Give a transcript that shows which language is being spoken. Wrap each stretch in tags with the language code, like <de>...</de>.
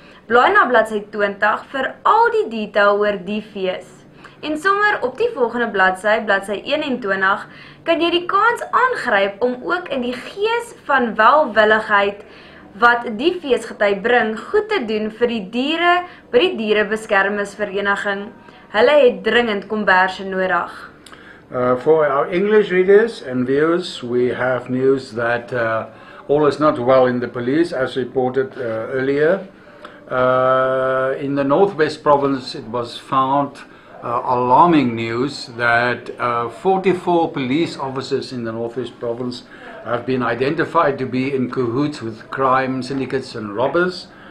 <af>Blaai na bladsy 20 vir al die detail oor die fees. En sommer op die volgende bladsy, bladsy 21, kan jy die kans aangryp om ook in die gees van welwilligheid wat die feesgety bring, goed te doen vir die diere by die Dierebeskermingsvereniging. Hulle het dringend kombersie nodig.</af> <en>For our English readers and viewers, we have news that all is not well in the police as reported earlier. In the Northwest province, it was found alarming news that 44 police officers in the Northwest province have been identified to be in cahoots with crime syndicates and robbers.</en>